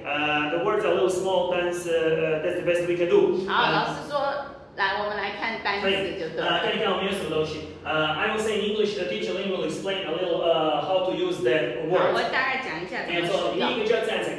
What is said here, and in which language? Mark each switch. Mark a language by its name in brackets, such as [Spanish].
[English] The words are a little small, that's the best we can do. [Chinese] 好，老师说。来，我们来看单词就对了。看一看我们有什么东西。 [English] I will say in English. The teacher will explain a little how to use that word. [Chinese] 我大概讲一下怎么使用。第一个叫这样子